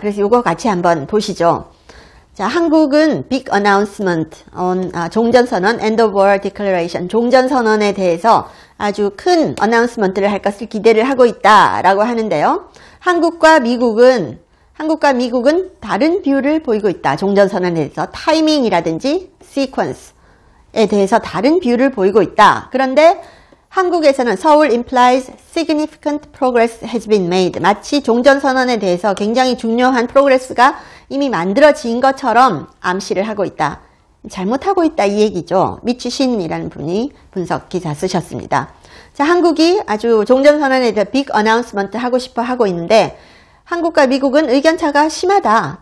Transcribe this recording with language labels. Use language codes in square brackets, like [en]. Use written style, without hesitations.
[ko] 그래서 이거 같이 한번 보시죠. 자, 한국은 빅 어나운스먼트 온 종전선언 end of war declaration 종전선언에 대해서 아주 큰 어나운스먼트를 할 것을 기대를 하고 있다라고 하는데요. 한국과 미국은 다른 뷰를 보이고 있다. 종전선언에 대해서 타이밍이라든지 시퀀스에 대해서 다른 뷰를 보이고 있다. 그런데 한국에서는 [en] Seoul implies significant progress has been made. [ko] 마치 종전선언에 대해서 굉장히 중요한 프로그레스가 이미 만들어진 것처럼 암시를 하고 있다. 잘못하고 있다 이 얘기죠. 미치신이라는 분이 분석 기사 쓰셨습니다. 자, 한국이 아주 종전선언에 대해서 빅 어나운스먼트 하고 싶어 하고 있는데 한국과 미국은 의견차가 심하다.